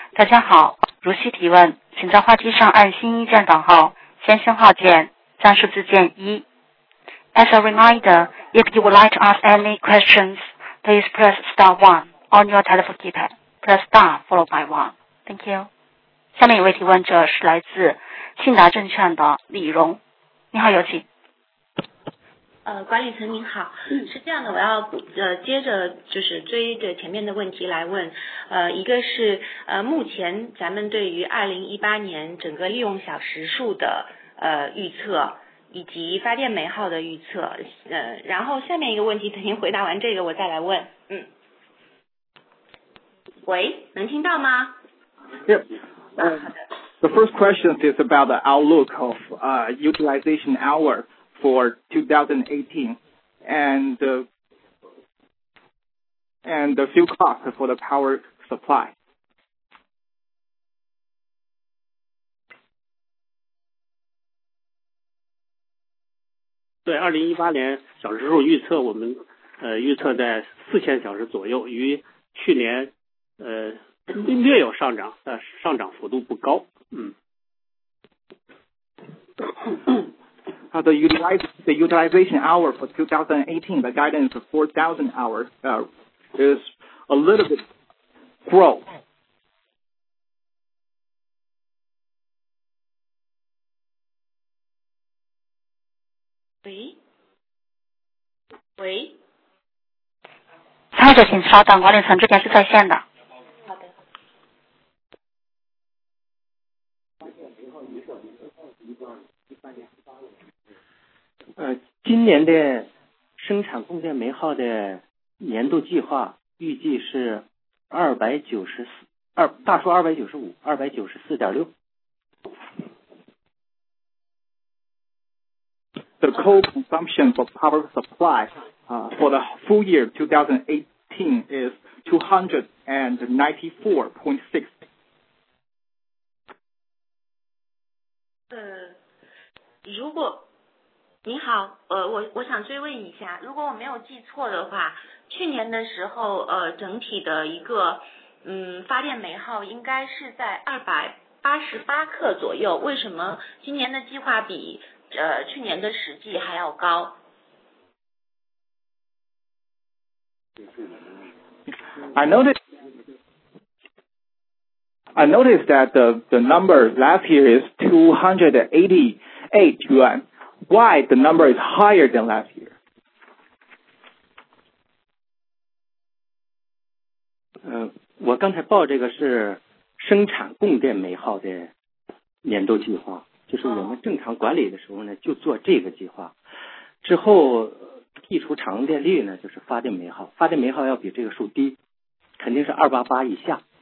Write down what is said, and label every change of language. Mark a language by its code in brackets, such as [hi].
[zh] 大家好，如需提问，请在话机上按星一键等号，先星号键，再数字键一。 [en] As a reminder, if you would like to ask any questions, please press star one on your telephone keypad. Press star followed by one. Thank you. [zh] 下面一位提问者是来自信达证券的李荣，你好，有请。管理层您好，是这样的，我要接着就是追着前面的问题来问，一个是目前咱们对于2018年整个利用小时数的预测，以及发电煤耗的预测，然后下面一个问题，等您回答完这个，我再来问。嗯，喂，能听到吗 [en] ？Yep. The first question is about the outlook of utilization hour. For 2018 and the fuel cost for the power supply. [zh] 对，2018年小时数预测，我们预测在4000小时左右，与去年略有上涨，但上涨幅度不高。 [en] The utilization hour for 2018, the guidance of 4,000 hours, is a little bit grow. [zh] 喂？喂？参会者请稍等，管理层之前是在线的。今年的生产供电煤耗的年度计划预计是294.6。 [en] The coal consumption for power supply for the full year 2018 is 294.6. [zh] 如果你好，我想追问一下，如果我没有记错的话，去年的时候，整体的一个发电煤耗应该是在288克左右，为什么今年的计划比去年的实际还要高？ [en] I noticed that the number last year is 288 yuan. Why the number is higher than last year? [zh] 我刚才报这个是生产供电煤耗的年度计划，就是我们正常管理的时候呢，就做这个计划。之后剔除产用电率呢，就是发电煤耗，发电煤耗要比这个数低，肯定是288以下。